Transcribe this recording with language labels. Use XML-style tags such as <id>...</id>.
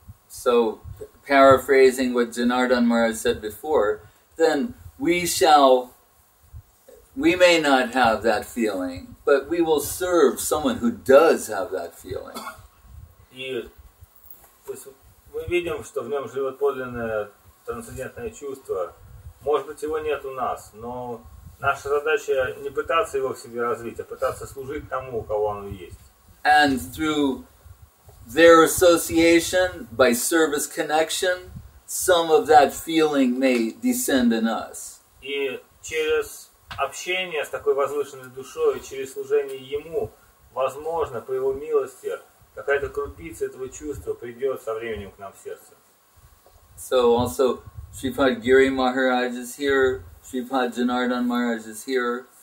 <en>So, paraphrasing what Janardhan Maharaj said before, then we may not have that feeling, but we will serve someone who does have that feeling.</en> <ru>И, то есть, мы видим, что в нем живет подлинное трансцендентное чувство. Может быть, его нет у нас, но наша задача не пытаться его в себе развить, а пытаться служить тому, у кого оно есть.</ru> <en>And through their association, by service connection, some of that feeling may descend in us.</en> <ru>И через общение с такой возвышенной душой, через служение ему, возможно, по его милости, какая-то крупица этого чувства придет со временем к нам в сердце.</ru> <en>So also, Shripad Giri Maharaj is here, Shripad Janardhan Maharaj is here.</en>